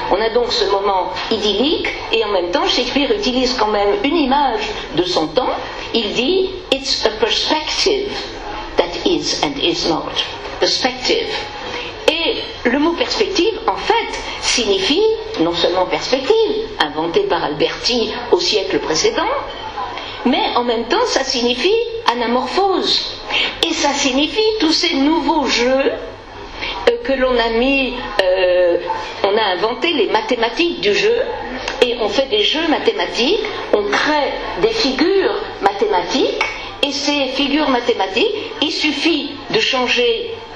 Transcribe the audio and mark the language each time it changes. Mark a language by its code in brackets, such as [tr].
[fr] On a donc ce moment idyllique, et en même temps, Shakespeare utilise quand même une image de son temps. Il dit [en] « It's a perspective that is and is not. [fr] Perspective. » Et le mot perspective, en fait, signifie non seulement perspective, inventé par Alberti au siècle précédent, mais en même temps, ça signifie anamorphose. Et ça signifie tous ces nouveaux jeux que l'on a mis, on a inventé les mathématiques du jeu, et on fait des jeux mathématiques, on crée des figures mathématiques, et ces figures mathématiques, il suffit de changer...